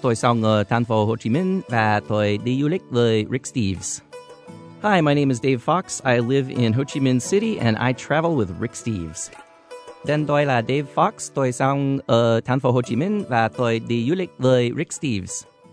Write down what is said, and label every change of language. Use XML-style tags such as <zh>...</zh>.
<vi>Tôi sống ở thành phố Hồ Chí Minh và tôi đi du lịch với Rick Steves.</vi> <en>Hi, my name is Dave Fox. I live in Ho Chi Minh City and I travel with Rick Steves.</en> <vi>Tên tôi là Dave Fox. Tôi sống ở thành phố Hồ Chí Minh và tôi đi du lịch với Rick Steves.</vi>